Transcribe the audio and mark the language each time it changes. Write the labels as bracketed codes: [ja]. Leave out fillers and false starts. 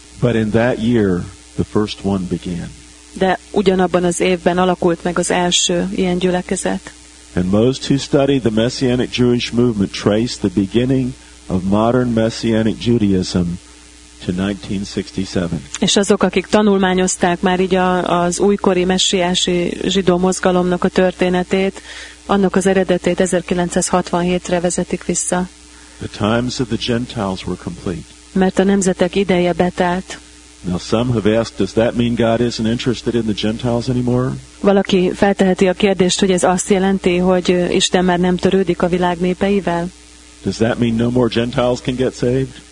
[en] But in that year, the first one began. [hu] De ugyanabban az évben alakult meg az első ilyen gyülekezet. [en] And most who study the Messianic Jewish movement trace the beginning of modern Messianic Judaism to 1967. [hu] És azok, akik tanulmányozták már így az újkori messiási zsidó mozgalomnak a történetét, annak az eredetét 1967-re vezetik vissza. [en] The times of the Gentiles were complete. [hu] Mert a nemzetek ideje betelt. [en] Now some have asked, does that mean God isn't interested in the Gentiles anymore? [hu] Valaki felteheti a kérdést, hogy ez azt jelenti, hogy Isten már nem törődik a világ népeivel? [en] Does that mean no more Gentiles can get saved?